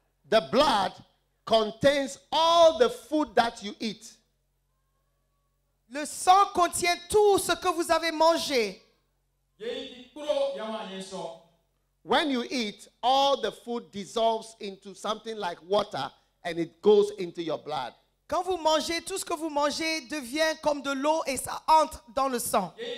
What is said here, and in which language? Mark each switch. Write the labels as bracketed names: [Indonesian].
[English] The blood contains all the food that you eat. [French] Le sang contient tout ce que vous avez mangé. [English] When you eat, all the food dissolves into something like water and it goes into your blood. [French] Quand vous mangez, tout ce que vous mangez devient comme de l'eau et ça entre dans le sang.